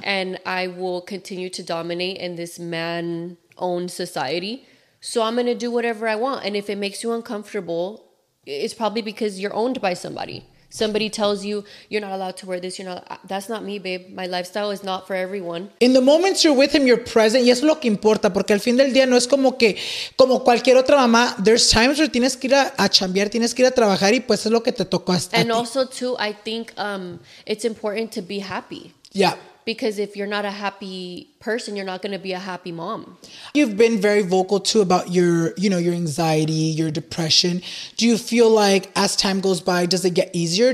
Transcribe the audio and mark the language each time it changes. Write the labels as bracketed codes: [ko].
[en] And I will continue to dominate in this man-owned society. So I'm going to do whatever I want. And if it makes you uncomfortable, it's probably because you're owned by somebody. Somebody tells you, you're not allowed to wear this. You're not. That's not me, babe. My lifestyle is not for everyone. In the moments you're with him, you're present. [es] Y eso es lo que importa. Porque al fin del día no es como que, como cualquier otra mamá, [en] there's times where [es] tienes que ir a chambear, tienes que ir a trabajar y pues es lo que te tocó hasta [en] And also too, I think it's important to be happy. Yeah. Because if you're not a happy person, you're not going to be a happy mom. You've been very vocal too about your, you know, your anxiety, your depression. Do you feel like as time goes by, does it get easier?